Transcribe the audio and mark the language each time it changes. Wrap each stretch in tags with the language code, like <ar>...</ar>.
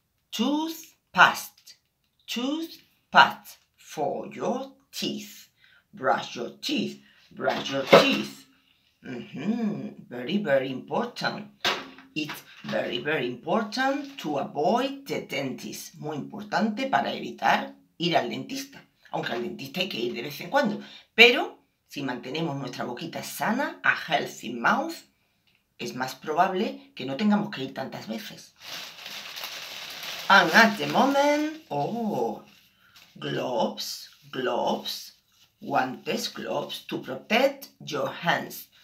<en>Toothpaste. Toothpaste for your teeth. Brush your teeth. Brush your teeth. Very, very important. It's very, very important to avoid the dentist.</en> <es>Muy importante para evitar ir al dentista. Aunque al dentista hay que ir de vez en cuando. Pero si mantenemos nuestra boquita sana,</es> <en>a healthy mouth,</en> <es>es más probable que no tengamos que ir tantas veces.</es> <en>And at the moment, oh, gloves, gloves, guantes, gloves to protect your hands.</en>